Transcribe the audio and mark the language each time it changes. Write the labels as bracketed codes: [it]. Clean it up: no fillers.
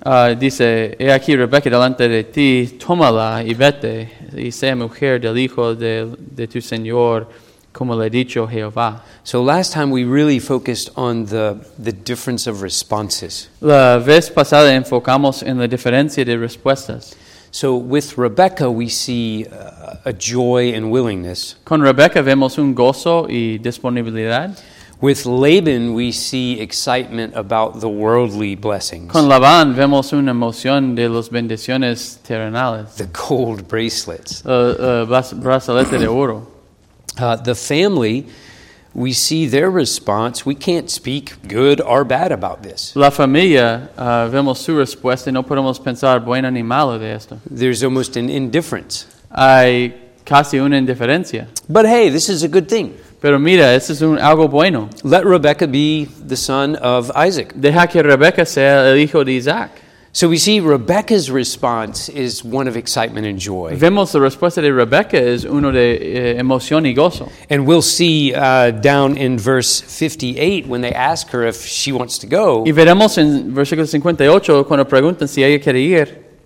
[es] Dice, he aquí Rebeca delante de ti, tómala y vete, y sea mujer del hijo de tu señor, como le ha dicho Jehová. [en] So last time we really focused on the difference of responses. [es] La vez pasada enfocamos en la diferencia de respuestas. [en] So with Rebecca we see a joy and willingness. [es] Con Rebecca vemos un gozo y disponibilidad. [en] With Laban, we see excitement about the worldly blessings. [es] Con Labán vemos una emoción de las bendiciones terrenales. [en] The gold bracelets. [es] Brazalete de oro. [en] The family, we see their response. We can't speak good or bad about this. [es] La familia, vemos su respuesta y no podemos pensar bueno ni malo de esto. [en] There's almost an indifference. [es] Hay casi una indiferencia. [en] But hey, this is a good thing. [es] Pero mira, esto es algo bueno. [en] Let Rebecca be the son of Isaac. [es] Deja que Rebecca sea el hijo de Isaac. [en] So we see Rebecca's response is one of excitement and joy. [es] Vemos la respuesta de Rebecca es uno de emoción y gozo. [en] And we'll see down in verse 58 when they ask her if she wants to go. [es] Y veremos en versículo 58 cuando preguntan si ella quiere ir.